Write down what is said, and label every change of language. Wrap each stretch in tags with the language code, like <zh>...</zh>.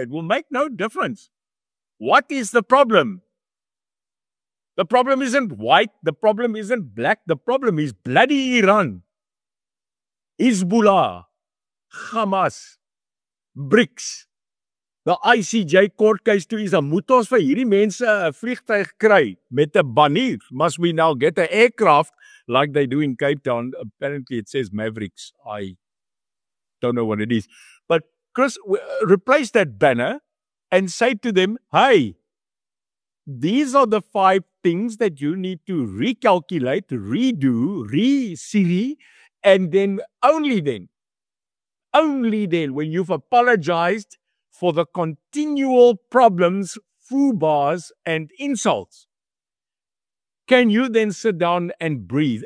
<en>It will make no difference. What is the problem? The problem isn't white. The problem isn't black. The problem is bloody Iran, Hezbollah, Hamas, BRICS. The ICJ court case to Israel.</en> <af>Moet ons vir hierdie mense 'n vliegtuig kry met 'n banner?</af> <en>Must we now get an aircraft like they do in Cape Town? Apparently it says Mavericks. I don't know what it is. But Chris, replace that banner and say to them, hey, these are the five things that you need to recalculate, redo, re-Siri, and then only then, when you've apologized for the continual problems, foobars, and insults, can you then sit down and breathe?</en>